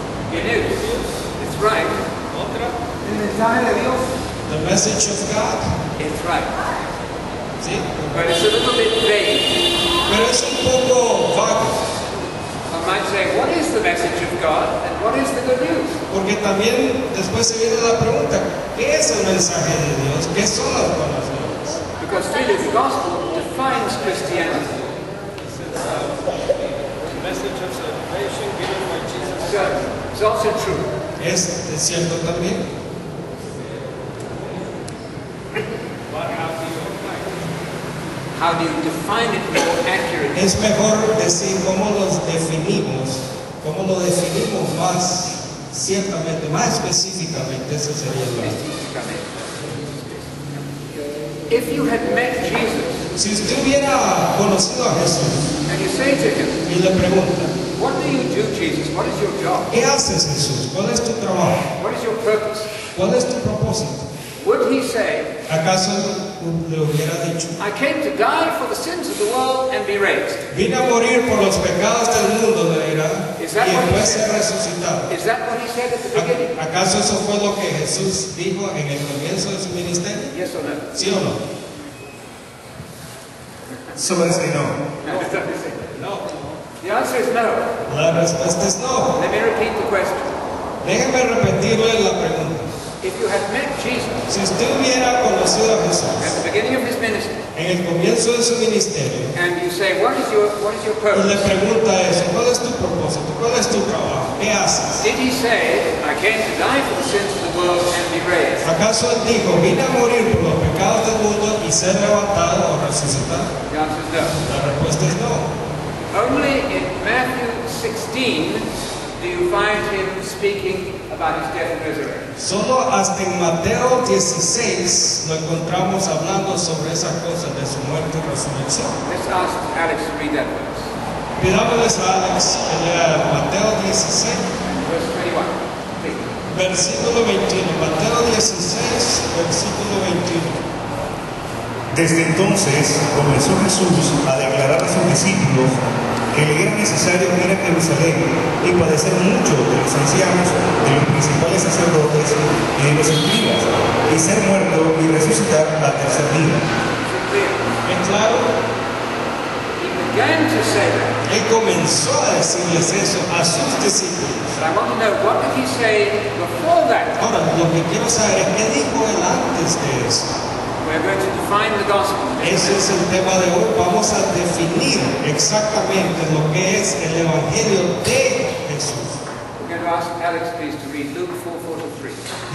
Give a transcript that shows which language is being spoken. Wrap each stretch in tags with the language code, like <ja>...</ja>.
<en>Good news. It's right.</en> <es>Otra. El mensaje de Dios.</es> <en>The message of God. It's right.</en> <es>¿Sí?</es> <en>But it's a little bit vague.</en> <es>Pero es un poco vago.</es> <en>I might say, what is the message of God and what is the good news?</en> <es>Porque también después se viene la pregunta, ¿qué es el mensaje de Dios? ¿Qué son las buenas nuevas?</es> <en>Because really the gospel defines Christianity. It's the message of salvation given by Jesus. So, it's also true.</en> <es>Es cierto también.</es> <en>How do you define it more accurately?</en> <es>Es mejor decir cómo lo definimos más ciertamente, más específicamente, eso sería lo mejor.</es> <en>If you had met Jesus,</en> <es>si usted hubiera conocido a Jesús,</es> <en>and you say to him,</en> <es>y le pregunta,</es> <en>what do you do, Jesus? What is your job?</en> <es>¿Qué haces, Jesús? ¿Cuál es tu trabajo?</es> <en>What is your purpose?</en> <es>¿Cuál es tu propósito?</es> <en>Would he say,</en> <es>¿acaso le hubiera dicho,</es> <en>I came to die for the sins of the world and be raised?</en> <es>Vine a morir por los pecados del mundo, le dirá, y después ser resucitado.</es> <en>Is that what he said at the beginning?</en> <es>¿Acaso eso fue lo que Jesús dijo en el comienzo de su ministerio?</es> <en>Yes or no?</en> <es>¿Sí o no?</es> <en>Someone say no. No. The answer is no.</en> <es>La respuesta es no.</es> <en>Let me repeat the question.</en> <es>Déjeme repetirle la pregunta.</es> <en>If you had met Jesus,</en> <es>si usted hubiera conocido a Jesús,</es> <en>at the beginning of his ministry,</en> <es>en el comienzo de su ministerio,</es> <en>and you say, what is your purpose?</en> <es>Y le pregunta eso, ¿cuál es tu propósito? ¿Cuál es tu trabajo? ¿Qué haces?</es> <en>Did he say, I came to die for the sins of the world and be raised?</en> <es>¿Acaso él dijo, vine a morir por los pecados del mundo y ser levantado o resucitado?</es> <en>The answer is no.</en> <es>La respuesta es no.</es> <en>Only in Matthew 16 do you find him speaking about his death and resurrection.</en> <es>Solo hasta en Mateo 16 lo encontramos hablando sobre esa cosa de su muerte y resurrección.</es> <en>Let's ask Alex to read that verse.</en> <es>Pidámosles a Alex que lea Mateo 16.</es> <en>Verse 21. Please.</en> <es>Versículo 21. Mateo 16, versículo 21. Desde entonces comenzó Jesús a declarar a sus discípulos que le era necesario venir a Jerusalén y padecer mucho de los ancianos, de los principales sacerdotes y de los escribas, y ser muerto y resucitar al tercer día. ¿Es claro? Él comenzó a decirles eso a sus discípulos. Ahora, lo que quiero saber es, ¿qué dijo él antes de eso?</es> <en>We're going to define the gospel.</en> <es>Ese es el tema de hoy. Vamos a definir exactamente lo que es el Evangelio de Jesús.</es> <en>We're going to ask Alex, please, to read Luke 4:43.</en>